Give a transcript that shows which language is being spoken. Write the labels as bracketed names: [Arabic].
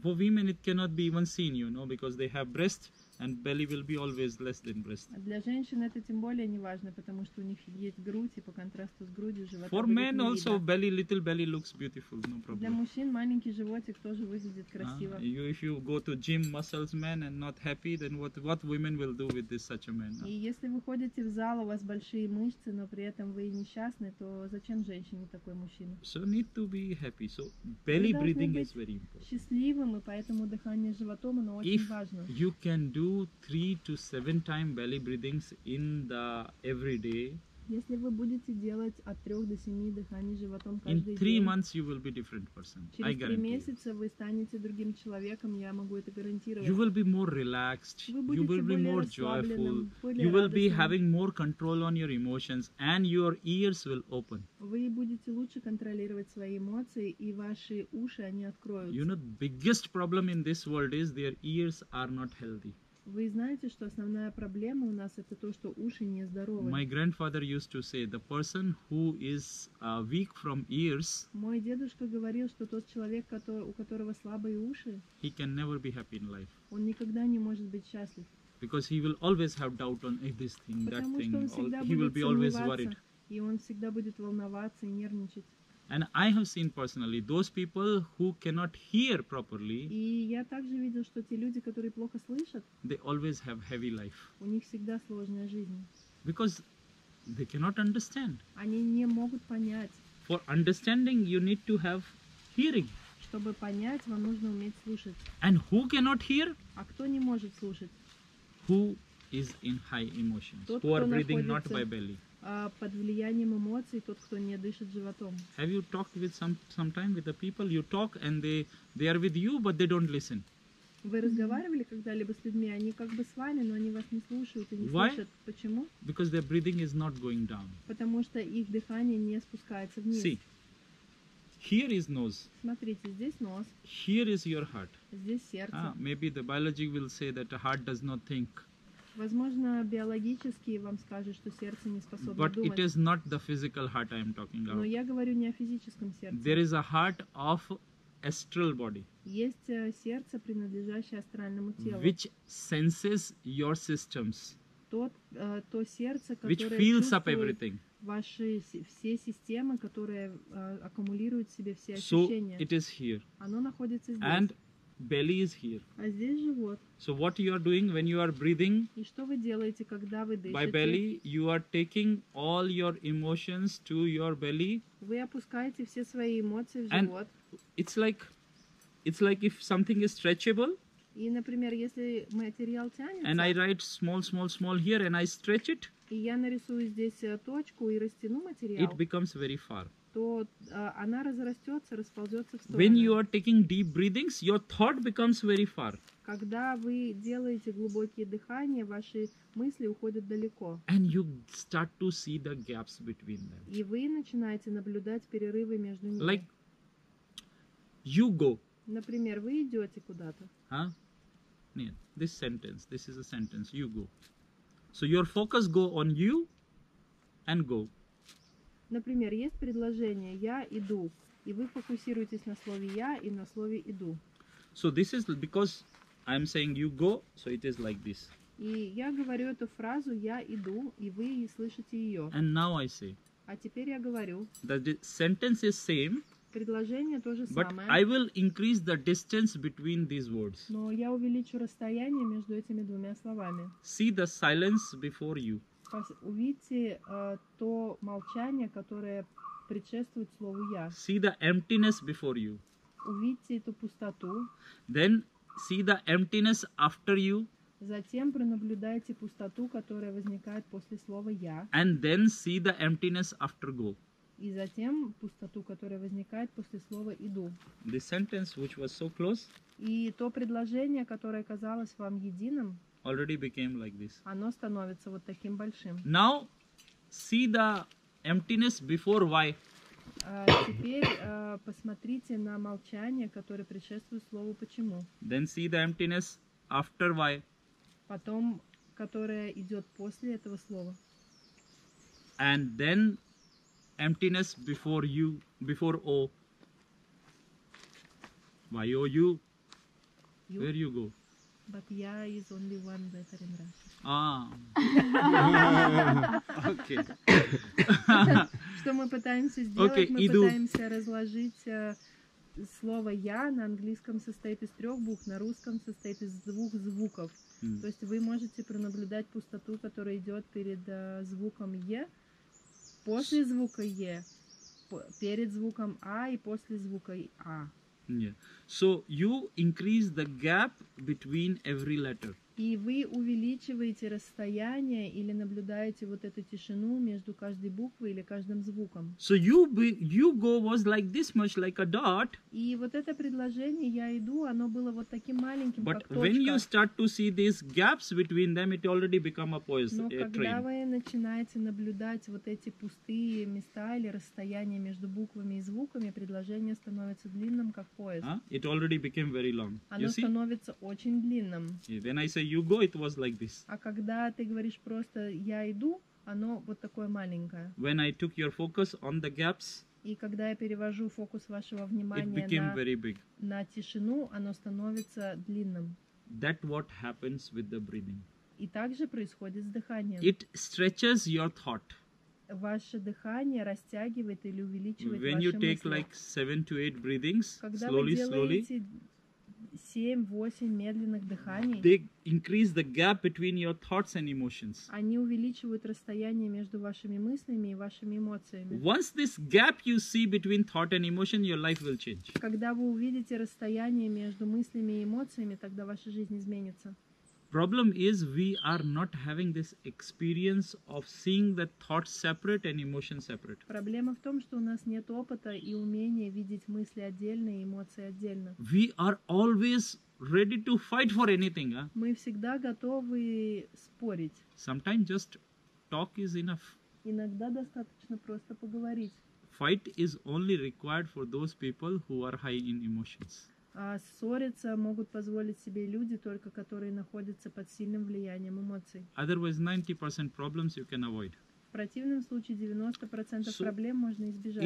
[English] For women, it cannot be even seen, you know, because they have breast, and belly will be always less than breast. [Russian] Для женщин это тем более не важно, потому что у них есть грудь, и по контрасту с грудью живот. [English] For men also, belly, little belly looks beautiful, no problem. [Russian] Для мужчин маленький животик тоже выглядит красиво. [English] If you go to gym, muscles man and not happy, then what women will do with this such a man? [Russian] И если вы ходите в зал, у вас большие мышцы, но при этом вы несчастны, то зачем женщине такой мужчина? [English] So need to be happy. So belly breathing is very important. [Russian] Счастливым, и поэтому дыхание животом, оно очень важно. [English] If you can do 3 to 7 times belly breathings in the every day. [Russian] Если вы будете делать от 3 до 7 дыханий животом каждый [English] In 3 [Russian] день, [English] months you will be different person. [Russian] Через [English] I guarantee. [Russian] 3 месяца вы станете другим человеком, я могу это гарантировать. [English] You will be more relaxed. [Russian] Вы будете [English] you will [Russian] более [English] be more [Russian] расслабленным, [English] joyful. [Russian] Более [English] you [Russian] радостным. [English] Will be having more control on your emotions and your ears will open. [Russian] Вы будете лучше контролировать свои эмоции и ваши уши они откроются. [English] You know, biggest problem in this world is their ears are not healthy. [Russian] Вы знаете, что основная проблема у нас это то, что уши нездоровы. [English] My grandfather used to say, the person who is weak from ears. [Russian] Мой дедушка говорил, что тот человек, у которого слабые уши. [English] He can never be happy in life. [Russian] Он никогда не может быть счастлив. [English] Because he will always have doubt on this thing, that thing. He will be always worried. [Russian] И он всегда будет волноваться и нервничать. [English] And I have seen personally those people who cannot hear properly. [Russian] И я также видел, что те люди, которые плохо слышат, [English] they always have heavy life. [Russian] У них всегда сложная жизнь. [English] Because they cannot understand. [Russian] Они не могут понять. [English] For understanding, you need to have hearing. [Russian] Чтобы понять, вам нужно уметь слушать. [English] And who cannot hear? [Russian] А кто не может слушать? [English] Who is in high emotions? [Russian] Тот, [English] who are breathing not by belly. [Russian] Под влиянием эмоций тот, кто не дышит животом. [English] Have you talked with sometime with the people? You talk and they are with you, but they don't listen. [Russian] Вы разговаривали когда-либо с людьми? Они как бы с вами, но они вас не слушают и не слышат. Почему? [English] Because their breathing is not going down. [Russian] Потому что их дыхание не спускается вниз. [English] See, here is nose. [Russian] Смотрите, здесь нос. [English] Here is your heart. [Russian] Здесь сердце. [English] Maybe the biology will say that the heart does not think. [Russian] Возможно, биологически вам скажут, что сердце не способно [English] but [Russian] думать. [English] But it is not the physical heart I am talking about. [Russian] Но я говорю не о физическом сердце. [English] There is a heart of astral body. [Russian] Есть сердце, принадлежащее астральному телу. [English] Which senses your systems. [Russian] То сердце, которое [English] which feels up everything. [Russian] Ваши все системы, которые аккумулируют в себе все ощущения. [English] So it is here. [Russian] Оно находится здесь. [English] And belly is here. [Russian] А здесь живот. [English] So what you are doing when you are breathing? [Russian] И что вы делаете, когда вы дышите? [English] By belly, you are taking all your emotions to your belly. [Russian] Вы опускаете все свои эмоции в живот. [English] And it's like if something is stretchable. [Russian] И, например, если материал тянется. [English] And I write small here, and I stretch it. [Russian] И я нарисую здесь точку и растяну материал. [English] It becomes very far. [Russian] То она разрастется, расползется в сторону. [English] When you are taking deep breathings, your thought becomes very far. [Russian] Когда вы делаете глубокие дыхания, ваши мысли уходят далеко. [English] And you start to see the gaps between them. [Russian] И вы начинаете наблюдать перерывы между ними. [English] Like you go. [Russian] Например, вы идете куда-то. Нет, [English] this sentence, this is a sentence. You go. So your focus go on you and go. [Russian] Например, есть предложение «я иду», и вы фокусируетесь на слове «я» и на слове «иду». [English] So this is because I'm saying you go, so it is like this. [Russian] И я говорю эту фразу «я иду», и вы слышите ее. [English] And now I say. [Russian] А теперь я говорю. [English] The sentence is same. [Russian] Предложение то же самое. [English] But I will increase the distance between these words. [Russian] Но я увеличу расстояние между этими двумя словами. [English] See the silence before you. [Russian] Увидьте то молчание, которое предшествует слову «я». [English] See the emptiness before you. [Russian] Увидьте эту пустоту. [English] Then see the emptiness after you. [Russian] Затем пронаблюдайте пустоту, которая возникает после слова «я». [English] And then see the emptiness after go. [Russian] И затем пустоту, которая возникает после слова «иду». [English] The sentence, which was so close. [Russian] И то предложение, которое казалось вам единым, [English] already became like this. [Russian] Оно становится вот таким большим. [English] Now, see the emptiness before why. [Russian] Теперь посмотрите на молчание, которое предшествует слову почему. [English] Then see the emptiness after why. [Russian] Потом, которое идет после этого слова. [English] And then emptiness before you, before O. Why O you? Where you go? But ya is only one letter in Russian. Okay. [Russian] Что мы пытаемся сделать? [English] Okay, [Russian] мы иду. Пытаемся разложить слово я на английском состоит из трех букв, на русском состоит из двух звуков. Mm. То есть вы можете пронаблюдать пустоту, которая идет перед звуком е, после звука е, перед звуком а и после звука а. Yeah. [English] So you increase the gap between every letter. [Russian] И вы увеличиваете расстояние или наблюдаете вот эту тишину между каждой буквой или каждым звуком. [English] So you go was like this much, like a dot. [Russian] И вот это предложение «я иду», оно было вот таким маленьким, [English] but [Russian] как точка. [English] But when you start to see these gaps between them, it already become a poison train. [Russian] Но когда вы начинаете наблюдать вот эти пустые места или расстояние между буквами и звуками, предложение становится длинным, как поезд. [English] It already became very long. [Russian] Оно становится очень длинным. [English] Yeah, then I say you go, it was like this. [Russian] А когда ты говоришь просто я иду, оно вот такое маленькое. [English] When I took your focus on the gaps. [Russian] И когда я перевожу фокус вашего внимания [English] it became very big. [Russian] На тишину, оно становится длинным. [English] That what happens with the breathing. [Russian] И также происходит с дыханием. [English] It stretches your thought. [Russian] Ваше дыхание растягивает или увеличивает [English] when [Russian] ваши [English] you take [Russian] мысли. [English] Like 7 to 8 breathings, [Russian] когда [English] slowly, [Russian] вы делаете [English] slowly, [Russian] 7-8 медленных дыханий, [English] they increase the gap between your thoughts and emotions. [Russian] Они увеличивают расстояние между вашими мыслями и вашими эмоциями. [English] Once this gap you see between thought and emotion, your life will change. [Russian] Когда вы увидите расстояние между мыслями и эмоциями, тогда ваша жизнь изменится. [English] Problem is we are not having this experience of seeing the thought separate and emotion separate. [Russian] Проблема в том, что у нас нет опыта и умения видеть мысли отдельно и эмоции отдельно. [English] We are always ready to fight for anything. [Russian] Мы всегда готовы спорить. [English] Sometimes just talk is enough. [Russian] Иногда достаточно просто поговорить. [English] Fight is only required for those people who are high in emotions. [Russian] А ссориться могут позволить себе люди только, которые находятся под сильным влиянием эмоций. [English] Otherwise, 90% problems you can avoid. [Russian] В противном случае 90% проблем можно избежать.